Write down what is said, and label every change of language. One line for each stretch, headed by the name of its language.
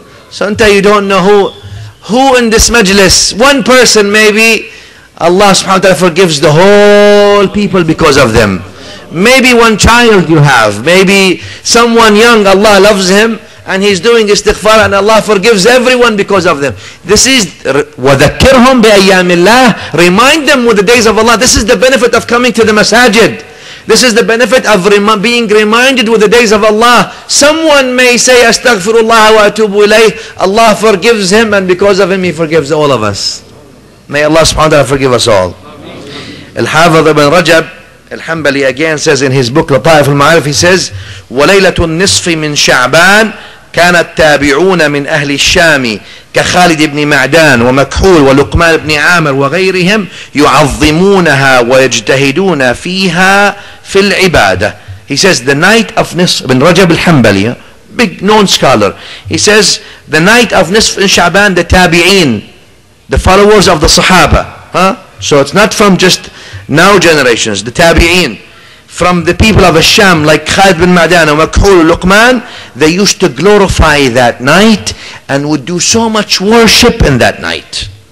English: So you don't know who in this majlis, one person maybe, Allah subhanahu wa ta'ala forgives the whole people because of them. Maybe one child you have, maybe someone young, Allah loves him, and he's doing istighfar, and Allah forgives everyone because of them. This is
Arabic: وَذَكِّرْهُمْ بِأَيَّامِ اللَّهِ.
English: Remind them with the days of Allah. This is the benefit of coming to the masajid. This is the benefit of being reminded with the days of Allah. Someone may say
Arabic: أَسْتَغْفِرُ اللَّهَ وَأَتُوبُ إِلَيْهِ.
English: Allah forgives him, and because of him he forgives all of us. May Allah subhanahu wa ta'ala forgive us all.
Arabic: الحافظ ابن رجب الحنبلي
English: again says in his book
Arabic: لطائف المعارف,
English: he says
Arabic: وليلة النصف من شعبان كان التابعون من أهل الشام كخالد بن معدان ومكحول ولقمان بن عامر وغيرهم يعظمونها ويجتهدون فيها في العبادة.
English: He says the night of نصف, ابن رجب الحنبلي, big known scholar, he says the night of نصف من شعبان, the تابعين, the followers of the صحابة, so it's not from just now generations, the tabi'een, from the people of Al-Sham, like Khalid bin Ma'dan, Makhul, Luqman, they used to glorify that night and would do so much worship in that night.